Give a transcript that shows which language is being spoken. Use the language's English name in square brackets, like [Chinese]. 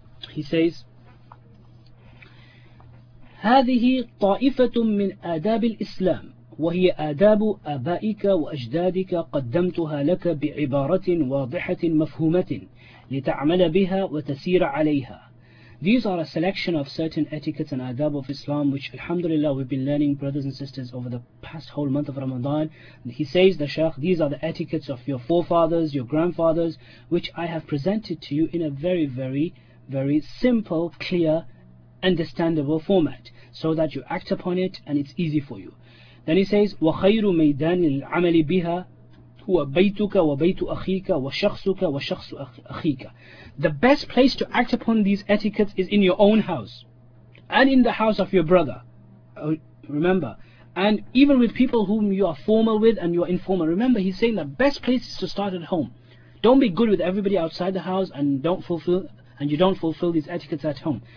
[English] He says, [Arabic] هذه طائفة من آداب الإسلام وهي آداب آبائك وأجدادك قدمتها لك بعبارة واضحة مفهومة لتعمل بها وتسير عليها. [English] These are a selection of certain etiquettes and adab of Islam which alhamdulillah we've been learning, brothers and sisters, over the past whole month of Ramadan. He says, the Shaykh, these are the etiquettes of your forefathers, your grandfathers, which I have presented to you in a very, very, very simple, clear, understandable format, so that you act upon it and it's easy for you. Then he says, [Arabic] وَخَيْرُ مَيْدَانِ الْعَمَلِ بِهَا هُوَ بَيْتُكَ وَبَيْتُ أَخِيكَ وَشَخْصُكَ وَشَخْصُ أَخِيكَ. [English] The best place to act upon these etiquettes is in your own house and in the house of your brother. Remember, and even with people whom you are formal with and you are informal. Remember, he's saying the best place is to start at home. Don't be good with everybody outside the house and you don't fulfill these etiquettes at home.